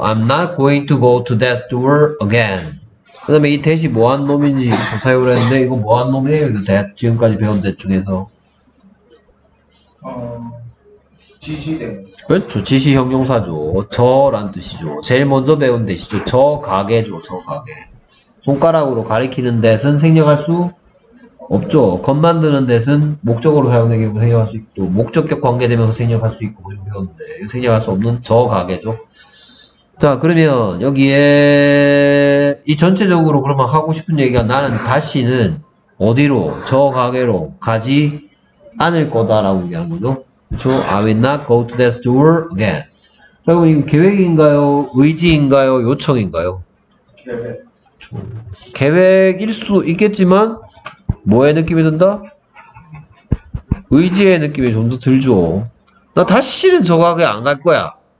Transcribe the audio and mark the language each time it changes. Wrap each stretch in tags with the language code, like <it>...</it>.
<en>I'm not going to go to that store again.</en> <ko>그 다음에 이 that이 뭐한 놈인지 조사해보려 했는데 이거 뭐한 놈이에요? that 지금까지 배운 that 중에서 지시대. 그렇죠. 지시 형용사죠. 저란 뜻이죠. 제일 먼저 배운 뜻이죠. 저 가게죠. 저 가게. 손가락으로 가리키는 뜻은 생략할 수 없죠. 겉 만드는 뜻은 목적으로 사용되게 생략할 수 있고, 목적격 관계되면서 생략할 수 있고, 배웠는데, 생략할 수 없는 저 가게죠. 자, 그러면 여기에 이 전체적으로 그러면 하고 싶은 얘기가 나는 다시는 어디로, 저 가게로 가지 않을 거다라고 얘기하는 거죠.</ko> <en>So, I will not go to that store again.</en> <ko>자, 그럼 이거 계획인가요? 의지인가요? 요청인가요? 계획. 계획일 수 있겠지만, 뭐의 느낌이 든다? 의지의 느낌이 좀 더 들죠. 나 다시는 저 가게 안 갈 거야.</ko>